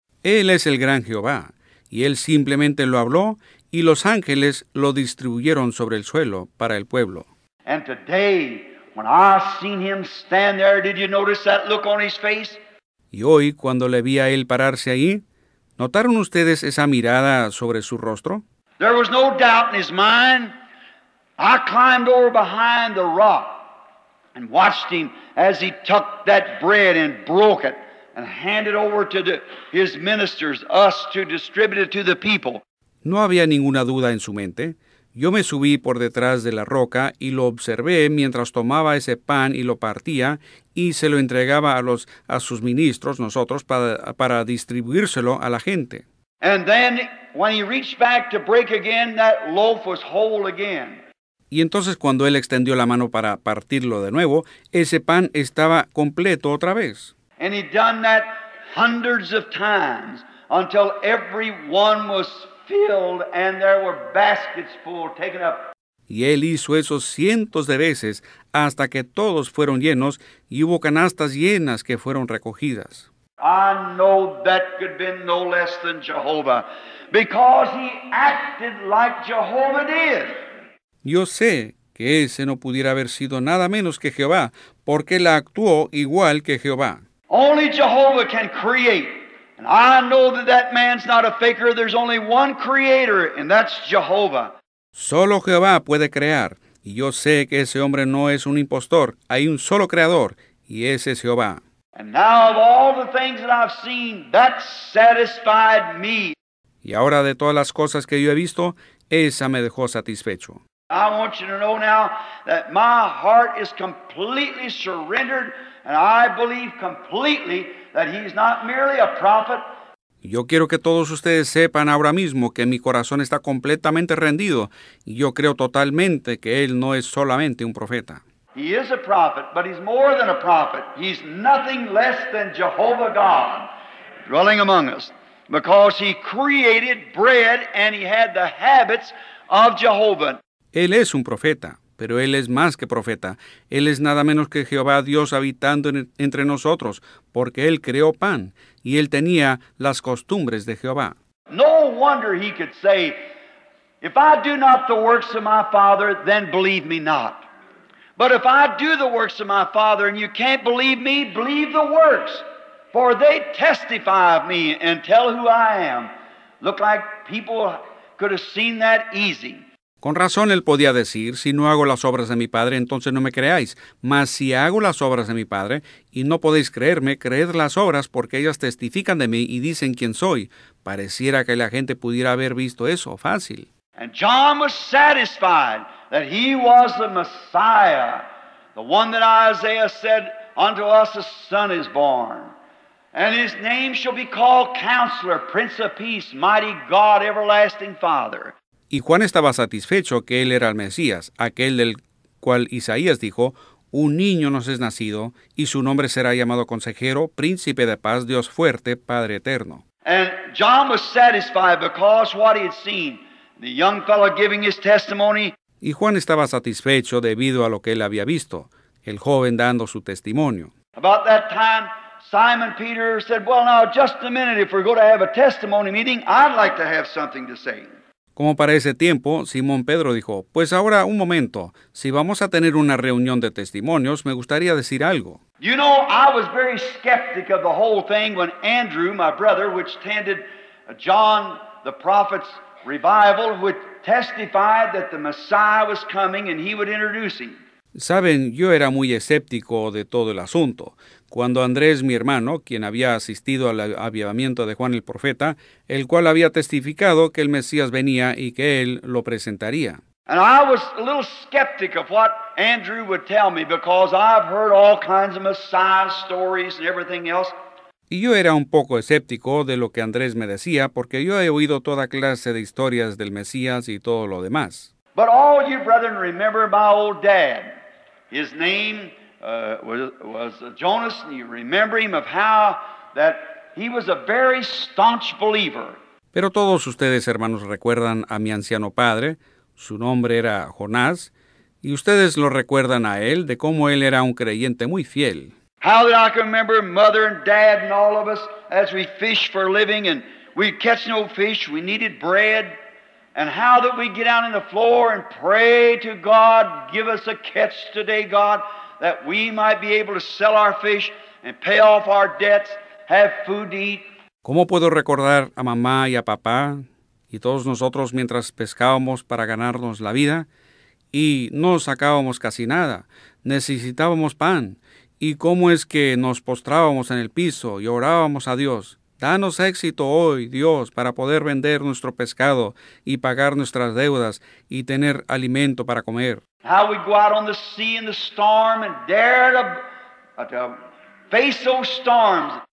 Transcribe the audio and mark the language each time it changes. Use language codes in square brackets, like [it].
[es] Él es el gran Jehová. Y él simplemente lo habló, y los ángeles lo distribuyeron sobre el suelo para el pueblo. [en] And today, when I seen him stand there, did you notice that look on his face? [es] Y hoy, cuando le vi a él pararse ahí, ¿notaron ustedes esa mirada sobre su rostro? [en] There was no doubt in his mind. I climbed over behind the rock and watched him as he tucked that bread and broke it. And hand it over to his ministers, us, to distribute it to the people. [es] No había ninguna duda en su mente. Yo me subí por detrás de la roca y lo observé mientras tomaba ese pan y lo partía y se lo entregaba a sus ministros, nosotros, para distribuírselo a la gente. [en] And then, when he reached back to break again, that loaf was whole again. [es] Y entonces, cuando él extendió la mano para partirlo de nuevo, ese pan estaba completo otra vez. [en] And he'd done that hundreds of times until everyone was filled and there were baskets full taken up. [es] Y él hizo eso cientos de veces hasta que todos fueron llenos y hubo canastas llenas que fueron recogidas. [en] I know that could be no less than Jehovah because he acted like Jehovah did. [es] Yo sé que ese no pudiera haber sido nada menos que Jehová porque él actuó igual que Jehová. [en] Only Jehovah can create. And I know that that man's not a faker. There's only one creator, and that's Jehovah. [es] Solo Jehová puede crear. Y yo sé que ese hombre no es un impostor. Hay un solo creador, y ese es Jehová. [en] And now of all the things that I've seen, that satisfied me. [es] Y ahora de todas las cosas que yo he visto, esa me dejó satisfecho. [en] I want you to know now that my heart is completely surrendered. And I believe completely that he is not merely a prophet. [es] Yo quiero que todos ustedes sepan ahora mismo que mi corazón está completamente rendido. Yo creo totalmente que él no es solamente un profeta. [en] He is a prophet, but he's more than a prophet. He's nothing less than Jehovah God dwelling among us. Because he created bread and he had the habits of Jehovah. [es] Él es un profeta. Pero él es más que profeta. Él es nada menos que Jehová Dios habitando entre nosotros, porque él creó pan y él tenía las costumbres de Jehová. [en] No wonder he could say, if I do not the works of my Father, then believe me not. But if I do the works of my Father and you can't believe me, believe the works, for they testify of me and tell who I am. Look like people could have seen that easy. [es] Con razón él podía decir, si no hago las obras de mi Padre, entonces no me creáis. Mas si hago las obras de mi Padre, y no podéis creerme, creed las obras porque ellas testifican de mí y dicen quién soy. Pareciera que la gente pudiera haber visto eso fácil. [en] And John was satisfied that he was the Messiah, the one that Isaiah said, unto us a son is born. And his name shall be called Counselor, Prince of Peace, Mighty God, Everlasting Father. [es] Y Juan estaba satisfecho que él era el Mesías, aquel del cual Isaías dijo, un niño nos es nacido, y su nombre será llamado Consejero, Príncipe de Paz, Dios Fuerte, Padre Eterno. [en] And John was satisfied because what he had seen, the young fellow giving his testimony. [es] Y Juan estaba satisfecho debido a lo que él había visto, el joven dando su testimonio. [en] About that time, Simon Peter said, well now, just a minute, if we're going to have a testimony meeting, I'd like to have something to say. [es] Como para ese tiempo, Simón Pedro dijo, pues ahora un momento, si vamos a tener una reunión de testimonios, me gustaría decir algo. [en] You know, I was very skeptic of the whole thing when Andrew, my brother, which attended John the Prophet's revival, would testify that the Messiah was coming and he would introduce him. [es] Saben, yo era muy escéptico de todo el asunto. Cuando Andrés, mi hermano, quien había asistido al avivamiento de Juan el Profeta, el cual había testificado que el Mesías venía y que él lo presentaría. [en] And I was a little skeptic of what Andrew would tell me because I've heard all kinds of Messiah stories and everything else. [es] Y yo era un poco escéptico de lo que Andrés me decía porque yo he oído toda clase de historias del Mesías y todo lo demás. [en] But all you brethren remember my old dad. His name was Jonas, and you remember him of how that he was a very staunch believer. [es] Pero todos ustedes, hermanos, recuerdan a mi anciano padre. Su nombre era Jonás, y ustedes lo recuerdan a él de cómo él era un creyente muy fiel. [en] How that I can remember mother and dad and all of us as we fish for a living and we catch no fish, we needed bread, and how that we get out on the floor and pray to God, give us a catch today, God, that we might be able to sell our fish and pay off our debts, have food to eat. [es] ¿Cómo puedo recordar a mamá y a papá? Y todos nosotros mientras pescábamos para ganarnos la vida y no sacábamos casi nada, necesitábamos pan. ¿Y cómo es que nos postrábamos en el piso y orábamos a Dios? Danos éxito hoy, Dios, para poder vender nuestro pescado y pagar nuestras deudas y tener alimento para comer. [en] How we go out on the sea in the storm and dare to face those storms.